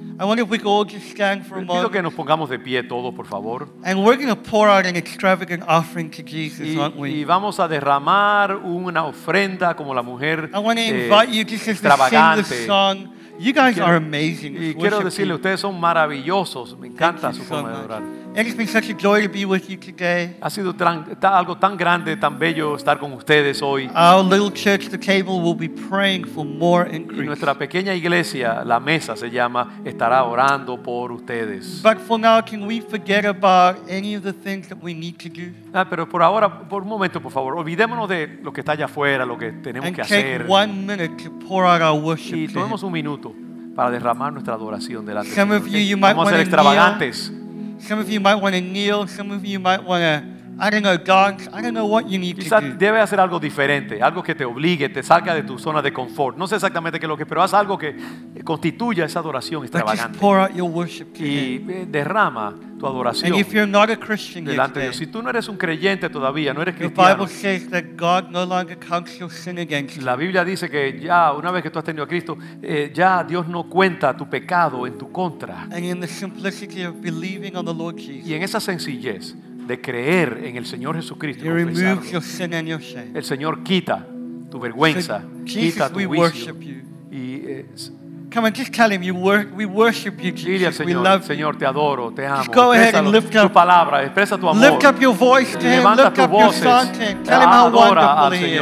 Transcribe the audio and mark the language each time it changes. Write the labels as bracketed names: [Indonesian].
[English] I wonder if we could all just stand for a moment. [Spanish] Pido que nos pongamos de pie todos, por favor. [English] And we're going to pour out an extravagant offering to Jesus, aren't we? [Spanish] Y vamos a derramar una ofrenda como la mujer. [English] I want to invite you just as we sing the song. You guys are amazing. [Spanish] Y quiero decirle, ustedes son maravillosos. Me encanta su forma de adorar. [English] It has been such a joy to be with you today. [Spanish] Ha sido algo tan grande, tan bello estar con ustedes hoy. [English] Our little church, the table, will be praying for more increase. [Spanish] Y nuestra pequeña iglesia, la mesa se llama, estará orando por ustedes. [English] But for now, can we forget about any of the things that we need to do? [Spanish] Ah, pero por ahora, por un momento, por favor, olvidémonos de lo que está allá afuera, lo que tenemos que hacer. [English] And take 1 minute to pour out our worship. [Spanish] Y tomemos un minuto para derramar nuestra adoración delante. [English] Some of you, you might want to [Spanish] ser extravagantes. [English] Some of you might want to kneel. Some of you might want to, I don't know, dance. I don't know what you need [Spanish] quizá [English] to do. [Spanish] Debe hacer algo diferente, algo que te obligue, te salga de tu zona de confort. No sé exactamente qué es lo que, pero haz algo que constituya esa adoración extravagante. [English] Just pour out your worship to [Spanish] y derrama tu adoración. [English] And if you're not a Christian [Spanish] delante [English] yet, [Spanish] de Dios, si tú no eres un creyente todavía, no eres cristiano. [English] The Bible says that God no longer counts your sin against you. [Spanish] La Biblia dice que ya una vez que tú has tenido a Cristo, ya Dios no cuenta tu pecado en tu contra. [English] And in the simplicity of believing on the Lord Jesus. [Spanish] Y en esa sencillez de creer en el Señor Jesucristo, [English] He removes your sin and your shame. [Spanish] El Señor quita tu vergüenza, [English] so, [Spanish] quita [English] Jesus, [Spanish] tu vicio. [English] We worship you. [Spanish] Y, [English] come on, just tell him we worship you, Jesus. [Spanish] Dile al Señor, [English] we love [Spanish] Señor, te adoro, te amo. [English] Just go ahead and lift up [Spanish] tu palabra, expresa tu amor. [English] Lift up your voice to him, lift up your song to him. Tell him how wonderful he is.